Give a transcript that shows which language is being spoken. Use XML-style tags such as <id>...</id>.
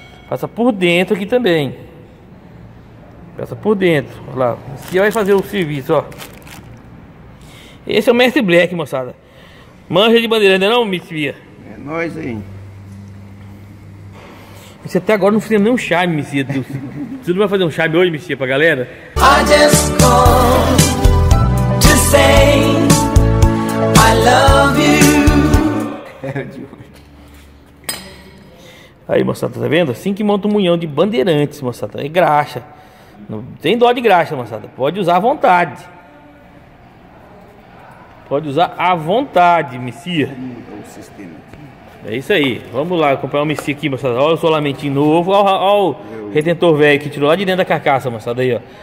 <pt>Passa por dentro aqui também. Passa por dentro. Olha lá. Aqui vai fazer o serviço, ó. Esse é o Mestre Black, moçada. Manja de Bandeirantes, não, Messias? É nóis, hein. Você até agora não fez nenhum charme, Messias. Você não vai fazer um charme hoje, Messias, pra galera?</pt> <en>I just called to say I love you.</en> <pt>Aí, moçada, tá vendo? Assim que monta um munhão de Bandeirantes, moçada. É graxa. Não tem dó de graxa, moçada. Pode usar à vontade. Pode usar à vontade, Messias. Mudou o sistema. É isso aí, vamos lá comprar um Messias aqui, moçada. Olha o solamentinho novo, olha o retentor velho que tirou lá de dentro da carcaça, moçada. Aí, ó.</pt>